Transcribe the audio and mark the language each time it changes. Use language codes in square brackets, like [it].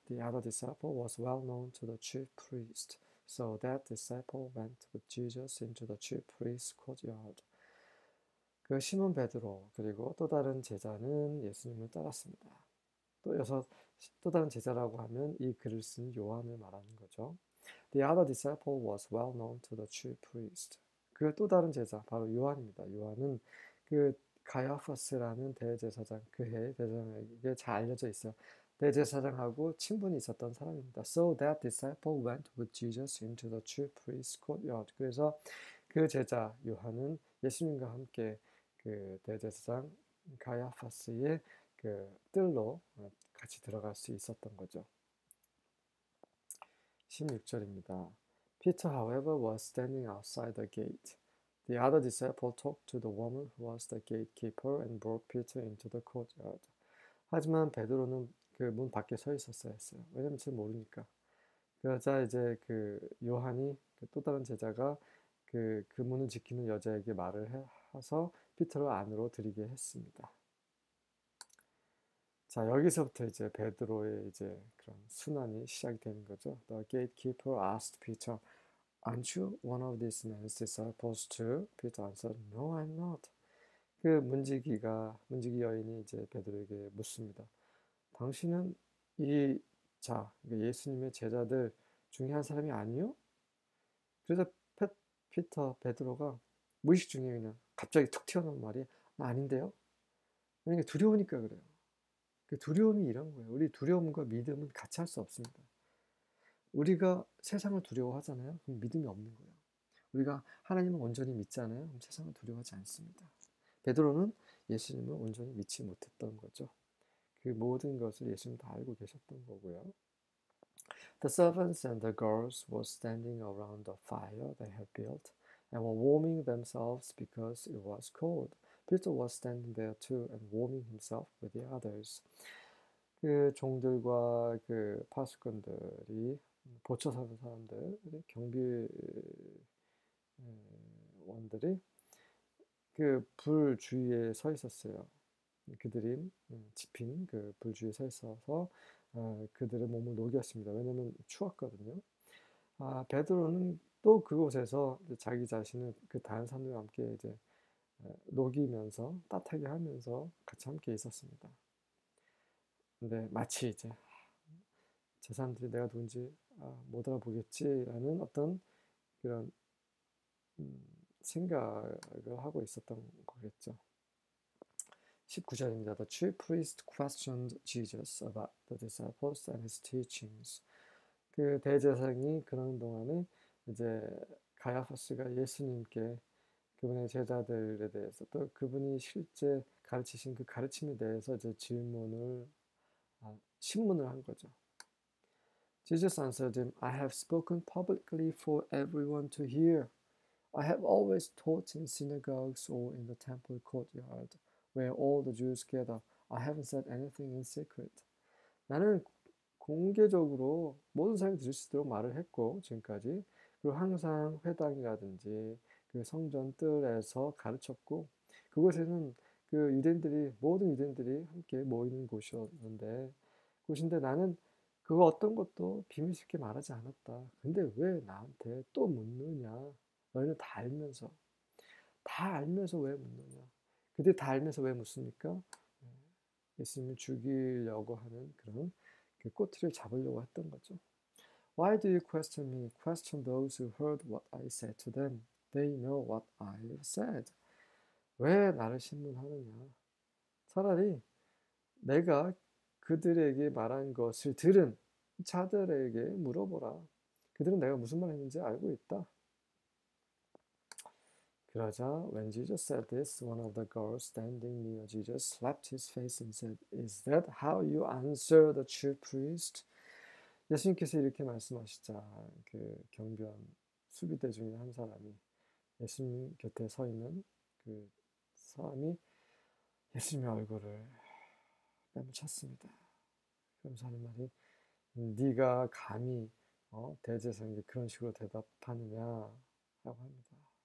[en] The other disciple was well known to the chief priest, so that disciple went with Jesus into the chief priest's courtyard. [ko] 그 시몬 베드로 그리고 또 다른 제자는 예수님을 따랐습니다. 또 다른 제자라고 하면 이 글을 쓴 요한을 말하는 거죠. [en] The other disciple was well known to the chief priest. [ko] 그또 다른 제자 바로 요한입니다. 요한은 그 가야파스라는 대제사장 그해 대제사장에게 잘 알려져 있어요. 대제사장하고 친분이 있었던 사람입니다. [en] So that disciple went with Jesus into the chief priest's courtyard. [ko] 그래서 그 제자 요한은 예수님과 함께 그 대제사장 가야파스의 그 뜰로 같이 들어갈 수 있었던 거죠. 16절입니다. [en] Peter, however, was standing outside the gate. The other disciple talked to the woman who was the gatekeeper and brought Peter into the courtyard. [ko] 하지만 베드로는 그문 밖에 서 있었어야 했어요. 왜냐면 잘 모르니까. 그러자 이제 그 요한이 그또 다른 제자가 그 문을 지키는 여자에게 말을 해서 피터를 안으로 들이게 했습니다. 자, 여기서부터 이제 베드로의 이제 그런 순환이 시작이 되는 거죠. [en] The gatekeeper asked Peter, "Aren't you one of this man's disciples too?" Peter answered, "No, I'm not." [ko] 그 문지기 여인이 이제 베드로에게 묻습니다. 당신은 예수님의 제자들 중에 한 사람이 아니요? 그래서 베드로가 무의식 중에 그냥 갑자기 툭 튀어나온 말이 아닌데요? 그러니까 두려우니까 그래요. 그 두려움이 이런 거예요. 우리 두려움과 믿음은 같이 할수 없습니다. 우리가 세상을 두려워하잖아요? 그럼 믿음이 없는 거예요. 우리가 하나님을 온전히 믿잖아요? 그럼 세상을 두려워하지 않습니다. 베드로는 예수님을 온전히 믿지 못했던 거죠. 그 모든 것을 예수님도 알고 계셨던 거고요. [en] The servants and the girls were standing around the fire they had built and were warming themselves because it was cold. Peter was standing there too and warming himself with the others. [ko] 그 종들과 그 파수꾼들이 보초 서는 사람들, 경비원들이 그불 주위에 서 있었어요. 그들이 지핀 그불 주위에 서 있어서 그들의 몸을 녹였습니다. 왜냐면 추웠거든요. 아, 베드로는 또 그곳에서 자기 자신을 그 다른 사람들과 함께 이제 녹이면서 따뜻하게 하면서 같이 함께 있었습니다. 근데 마치 이제 저 사람들이 내가 누군지 못 알아보겠지라는 어떤 그런 생각을 하고 있었던 거겠죠. 19절입니다. [en] The chief priest questioned Jesus about the disciples and his teachings. [ko] 그 대제사장이 그러는 동안에 이제 가야파스가 예수님께 그분의 제자들에 대해서 또 그분이 실제 가르치신 그 가르침에 대해서 이제 신문을 한 거죠. [en] Jesus answered him, "I have spoken publicly for everyone to hear. I have always taught in synagogues or in the temple courtyard, where all the Jews gather. I haven't said anything in secret." [ko] 나는 공개적으로 모든 사람이 들을 수 있도록 말을 했고 지금까지 그리고 항상 회당이라든지 그 성전들에서 가르쳤고 그곳에는 모든 유대인들이 함께 모이는 곳인데 나는 그 어떤 것도 비밀스럽게 말하지 않았다. 근데 왜 나한테 또 묻느냐? 너희는 다 알면서 왜 묻느냐? 그들이 다 알면서 왜 묻습니까? 예수님을 죽이려고 하는 그런 그 꼬투리를 잡으려고 했던 거죠. [en] Why do you question me? Question those who heard what I said to them. They know what I said. [ko] 왜 나를 신문하느냐? 차라리 내가 그들에게 말한 것을 들은 자들에게 물어보라. 그들은 내가 무슨 말 했는지 알고 있다. 그러자, [en] When Jesus said this, one of the girls standing near Jesus slapped his face and said, "Is that how you answer the chief priest?" [ko] 예수님께서 이렇게 말씀하시자, 그 경비원 수비대 중에 한 사람이 예수님 곁에 서 있는 그 사람이 예수님의 얼굴을 뺨을 쳤습니다. 그러면서 하는 말이, 네가 감히 대제사장님 그런 식으로 대답하느냐 하고 합니다.